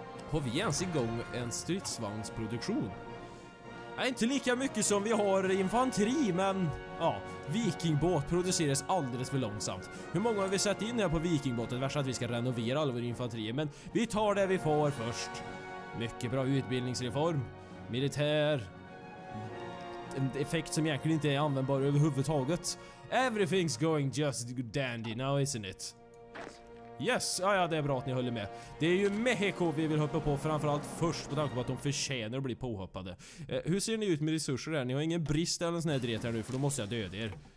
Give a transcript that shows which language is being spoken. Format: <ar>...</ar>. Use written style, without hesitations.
<sv>Har vi ens igång en stridsvagnsproduktion? Inte lika mycket som vi har infanteri, men ja, vikingbåt produceras alldeles för långsamt. Hur många har vi satt in här på vikingbåten? Värst att vi ska renovera all vår infanteri, men vi tar det vi får först. Mycket bra utbildningsreform. Militär. En effekt som egentligen inte är användbar överhuvudtaget.</sv> <en>Everything's going just dandy now, isn't it?</en> <sv>Yes, ah, ja, det är bra att ni håller med. Det är ju Mexico vi vill hoppa på framförallt först på tanke på att de förtjänar att bli påhoppade. Hur ser ni ut med resurser här? Ni har ingen brist eller en sån här dret här nu, för då måste jag döda er.</sv>